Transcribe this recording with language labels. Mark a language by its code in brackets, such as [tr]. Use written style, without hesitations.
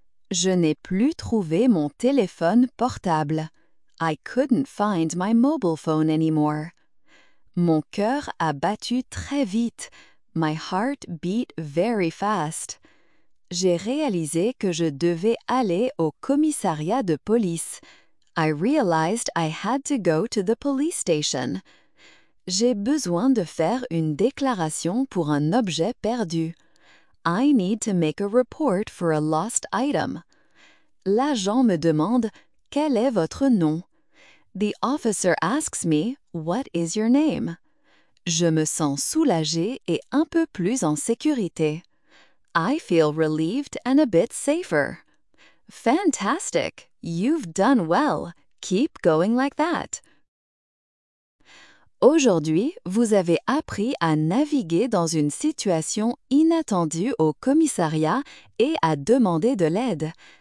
[fr] Je n'ai plus trouvé mon téléphone portable. [en] I couldn't find my mobile phone anymore. [fr] Mon cœur a battu très vite. [en] My heart beat very fast. [fr] J'ai réalisé que je devais aller au commissariat de police. [en] I realized I had to go to the police station. [fr] J'ai besoin de faire une déclaration pour un objet perdu. [en] I need to make a report for a lost item. [fr] L'agent me demande, quel est votre nom? [en] The officer asks me, what is your name? [fr] Je me sens soulagée et un peu plus en sécurité. [en] I feel relieved and a bit safer. Fantastic! You've done well. Keep going like that. [fr] Aujourd'hui, vous avez appris à naviguer dans une situation inattendue au commissariat et à demander de l'aide.